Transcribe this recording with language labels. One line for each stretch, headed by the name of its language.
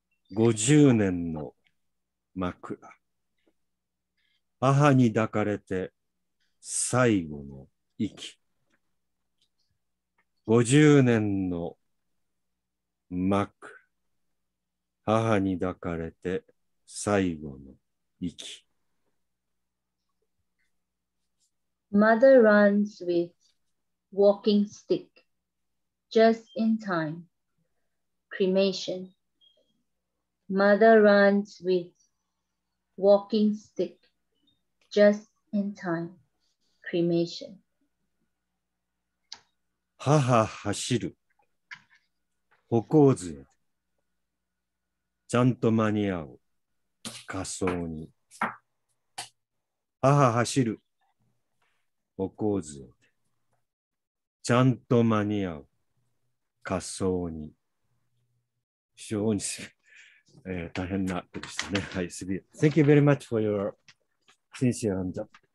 Japanese: 50年の枕、母に抱かれて最後の息。 50年の枕、母に抱かれて最後の息。
English: Mother runs with walking stick, just in time, cremation. Mother runs with walking stick, just in time, cremation.
Japanese: 母走る、歩行杖、ちゃんと間に合う、火葬に。母走る、歩行杖、ちゃんと間に合う、火葬に。非常に大変なことでしたね。はい、すみません。
English: Thank you very much for your sincere hand up.